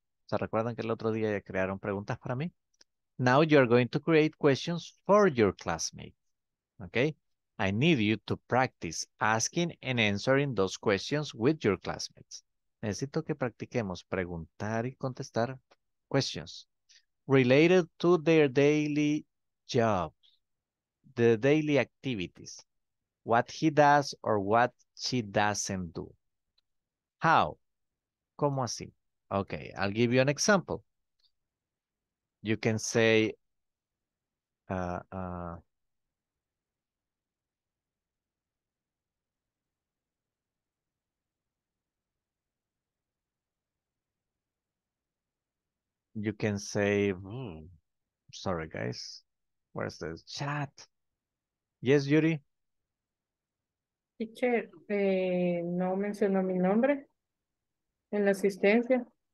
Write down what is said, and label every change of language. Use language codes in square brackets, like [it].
[es] ¿Se recuerdan que el otro día ya crearon preguntas para mí? [en] Now you're going to create questions for your classmate. Okay? I need you to practice asking and answering those questions with your classmates. [es] Necesito que practiquemos preguntar y contestar [en] questions related to their daily jobs, the daily activities, what he does or what she doesn't do. How? [es] ¿Cómo así? [en] Okay, I'll give you an example. You can say, you can say, sorry, guys. Where's the chat? Yes, Yuri? [es] Teacher, no mencionó mi nombre en la asistencia.